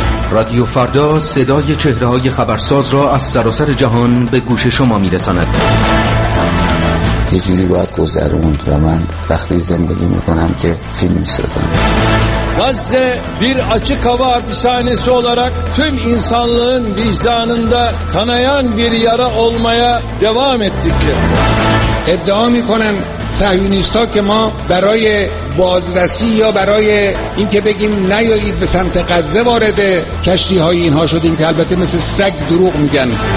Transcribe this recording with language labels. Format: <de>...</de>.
<fa>رادیو فردا صدای چهره های خبرساز را از سراسر جهان به گوش شما میرساند. یه جوری باید گذروند و من وقتی زندگی میکنم که فیلم میسازم.</fa> <tr>Gazze bir açık hava hapishanesi olarak tüm insanlığın vicdanında kanayan bir yara olmaya devam ettikçe.</tr> <fa>İddia میکنن صهیونیست ها که ما برای بازرسی یا برای اینکه بگیم نیایید به سمت غزه وارد کشتی های اینها شدیم، که البته مثل سگ دروغ میگن.</fa>